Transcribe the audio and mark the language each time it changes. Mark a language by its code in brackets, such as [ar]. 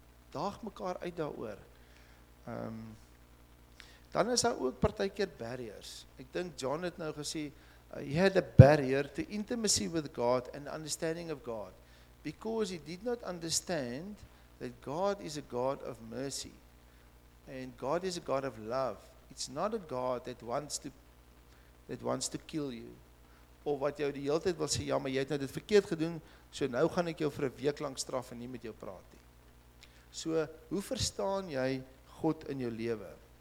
[af] Daag mekaar uit daaroor. Dan is daar ook partykeer barriers. Ek dink John het nou gesê, [en] he had a barrier to intimacy with God and understanding of God because he did not understand that God is a God of mercy and God is a God of love. It's not a God that wants to kill you [af] of wat jou die hele tyd wil sê, ja, maar jy het nou dit verkeerd gedoen, so nou gaan ek jou vir 'n week lang straf en nie met jou praat nie. So, hoe verstaan jy God in jou lewe?